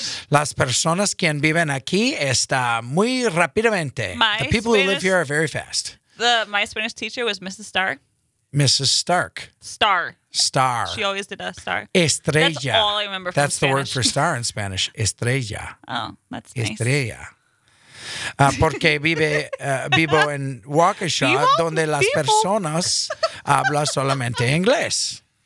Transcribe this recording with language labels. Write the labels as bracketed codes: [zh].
[es] Las personas que viven aquí está muy rápidamente. [en] The people Spanish, who live here are very fast. My Spanish teacher was Mrs. Stark. Mrs. Stark. Star. Star. She always did a star. [es] Estrella. [en] That's all I remember from Spanish. That's the word for star in Spanish. [es] Estrella. [en] Oh, that's [es] Estrella. [en] Nice. [es] Estrella. Porque vivo en Waukesha, donde las personas hablan solamente inglés.